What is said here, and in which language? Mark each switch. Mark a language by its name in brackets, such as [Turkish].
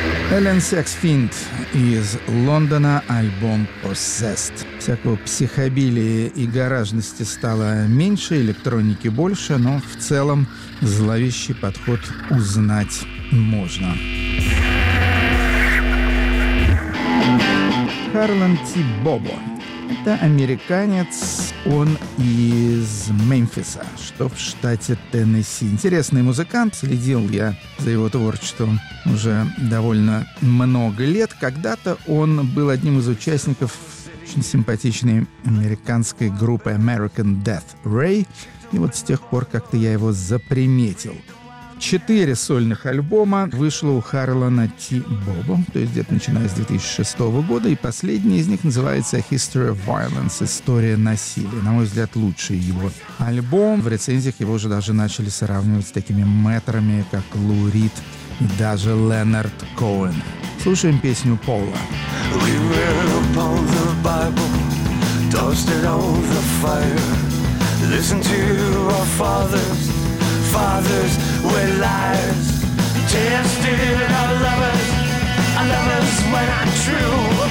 [Russian] Alien Sex Fiend из Лондона, альбом Possessed. Всякого психобилия и гаражности стало меньше, электроники больше, но в целом зловещий подход узнать можно. Марлон Ти Бобо. Это американец, он из Мемфиса, что в штате Теннесси. Интересный музыкант, следил я за его творчеством уже довольно много лет. Когда-то он был одним из участников очень симпатичной американской группы American Death Ray. И вот с тех пор как-то я его заприметил. 4 сольных альбома вышло у Харлана Ти Бобо, то есть где-то начиная с 2006 года, и последний из них называется History of Violence, История насилия. На мой взгляд, лучший его альбом. В рецензиях его уже даже начали сравнивать с такими мэтрами, как Лу Рид и даже Ленард Коэн. Слушаем песню Пола. [English] We read upon the Bible, toasted on the fire. Listen to our fathers, fathers with lies. Tested our lovers were not true.